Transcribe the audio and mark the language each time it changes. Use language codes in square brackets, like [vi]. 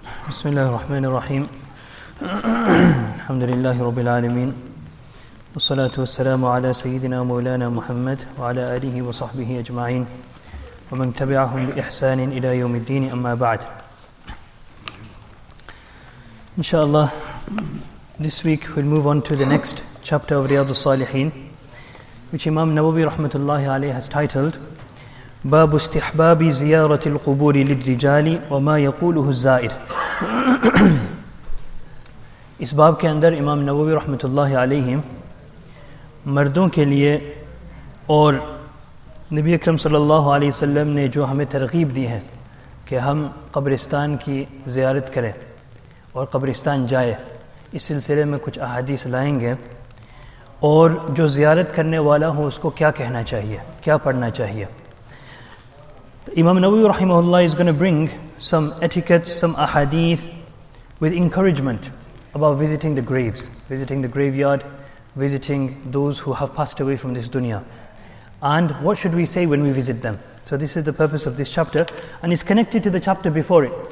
[ar] بسم الله الرحمن الرحيم. الحمد لله رب العالمين والصلاة والسلام على سيدنا مولانا محمد وعلى آله وصحبه أجمعين ومن تبعهم بإحسان إلى يوم الدين أما بعد. [en] Inshallah, this week we'll move on to the next chapter of Riyadu Salihin, which Imam Nawawi rahmatullahi alayhi has titled [ar] باب استحباب زيارة القبور للرجال وما يقوله الزائر. [ur] اس باب کے اندر امام نووی رحمۃ اللہ علیہ مردوں کے لیے اور نبی اکرم صلی اللہ علیہ وسلم نے جو ہمیں ترغیب دی ہے کہ ہم قبرستان کی زیارت کریں اور قبرستان جائے، اس سلسلے میں کچھ احادیث لائیں گے، اور جو زیارت کرنے والا ہو اس کو کیا کہنا چاہیے، کیا پڑھنا چاہیے. [en] Imam Nawawi rahimahullah is going to bring some etiquettes, some ahadith with encouragement about visiting the graves, visiting the graveyard, visiting those who have passed away from this dunya. And what should we say when we visit them? So this is the purpose of this chapter, and it's connected to the chapter before it.